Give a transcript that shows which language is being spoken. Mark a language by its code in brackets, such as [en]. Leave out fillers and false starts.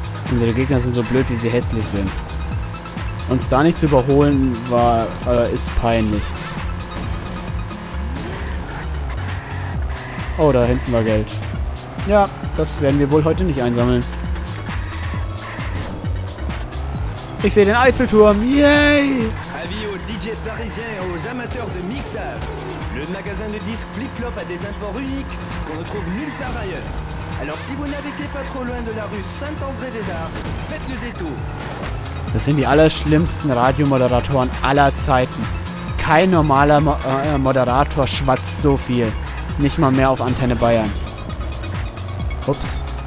[de] Unsere Gegner sind so blöd, wie sie hässlich sind. Uns da nicht zu überholen, ist peinlich. Oh, da hinten war Geld. Ja, das werden wir wohl heute nicht einsammeln. Ich sehe den Eiffelturm. Yay! [fr] DJ parisien et aux amateurs de mixage. Le magasin de disques Flip Flop a des imports uniques qu'on ne trouve nulle part ailleurs. Alors si vous naviguez pas trop loin de la rue Saint-André-des-Arts, faites le détour. [de] Das sind die allerschlimmsten Radiomoderatoren aller Zeiten. Kein normaler Moderator schwatzt so viel. Nicht mal mehr auf Antenne Bayern. Ups.